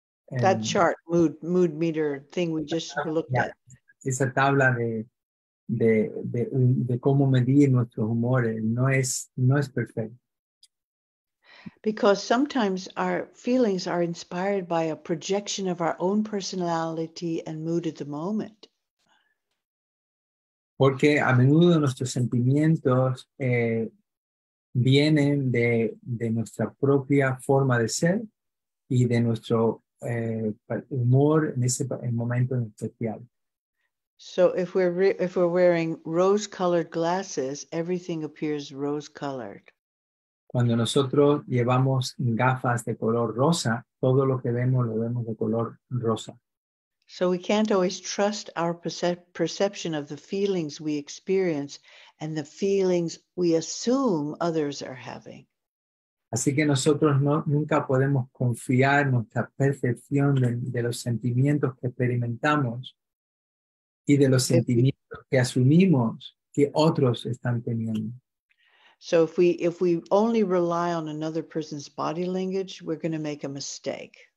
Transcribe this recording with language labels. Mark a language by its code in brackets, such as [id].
[en] That chart, mood meter thing we just looked at. [es] Esa tabla de cómo medir nuestros humores no es perfecto. [en] Because sometimes our feelings are inspired by a projection of our own personality and mood at the moment. [es] Porque a menudo nuestros sentimientos vienen de nuestra propia forma de ser y de nuestro humor en ese momento en especial. [en] So if we're wearing rose-colored glasses, everything appears rose-colored. [es] Cuando nosotros llevamos gafas de color rosa, todo lo vemos de color rosa. [en] So we can't always trust our perception of the feelings we experience and the feelings we assume others are having. [es] Así que nosotros nunca podemos confiar nuestra percepción de los sentimientos que experimentamos y de los sentimientos que asumimos que otros están teniendo. [en] So if we only rely on another person's body language, we're going to make a mistake.